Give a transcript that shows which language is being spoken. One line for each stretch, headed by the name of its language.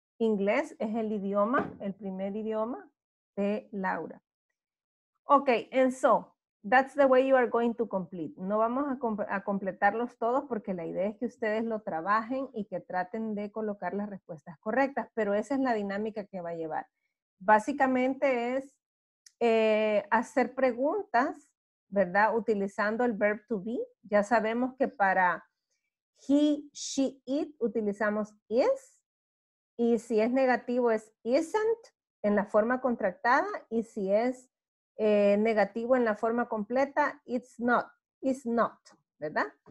Spanish: Inglés es el idioma, el primer idioma de Laura.
English: Ok, and so, that's the way you are going to complete.
Spanish: No vamos a completarlos todos porque la idea es que ustedes lo trabajen y que traten de colocar las respuestas correctas, pero esa es la dinámica que va a llevar. Básicamente es hacer preguntas, ¿verdad? Utilizando el verb to be. Ya sabemos que para he, she, it utilizamos is, y si es negativo es isn't en la forma contractada, y si es negativo en la forma completa,
English: it's not,
Spanish: ¿verdad?